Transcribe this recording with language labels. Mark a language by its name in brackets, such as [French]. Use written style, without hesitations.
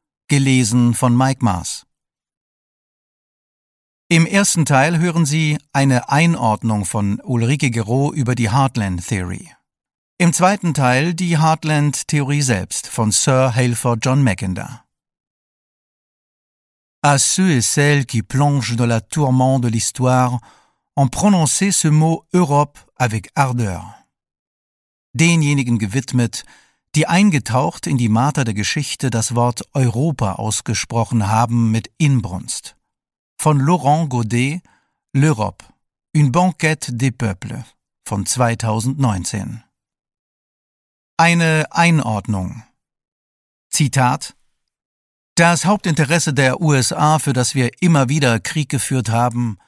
[German] Gelesen von Mike Maas. Im ersten Teil hören Sie eine Einordnung von Ulrike Gero über die Heartland Theory. Im zweiten Teil die Heartland Theorie selbst von Sir Halford John Mackinder. [French] À ceux et celles qui plongent dans la tourmente de l'histoire, ont prononcé ce mot Europe avec ardeur. [German] Denjenigen gewidmet, die eingetaucht in die Marter der Geschichte das Wort Europa ausgesprochen haben mit Inbrunst. Von Laurent Godet, L'Europe, une banquette des peuples, von 2019. Eine Einordnung. Zitat: Das Hauptinteresse der USA, für das wir immer wieder Krieg geführt haben,